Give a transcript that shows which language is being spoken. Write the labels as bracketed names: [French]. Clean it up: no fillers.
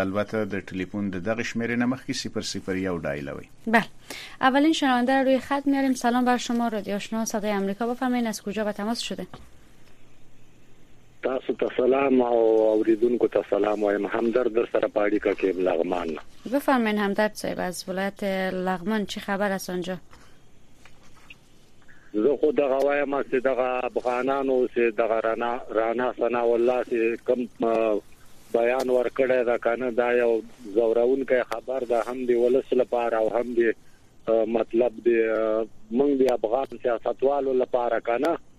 [Pashto] البته د ټلیفون د دغه شمیره نه مخکې 001 ډایلوي. [Persian] بله، اولین شنونده رو روی خط میاریم. سلام بر شما، رادیو آشنا صدای امریکا، بفرمایید از کجا به تماس شده؟ [Pashto] تاسو ته سلام او اوریدونکو ته سلام وایم. همدرد در سره پاړی کا کې لغمان. [Persian] بفرمایید همدرد صاحب، از ولایت لغمان چی خبر از اونجا؟ [Pashto] زه خو دغه وایم چې دغه افغانانو چې دغه رانا ثنا والله چې کوم بیان ورکړی دا کنه دا یو زوروونکی خبر ده، هم د ولس لپاره او هم د مطلب د موږ د افغان سیاستوالو لپاره کنه.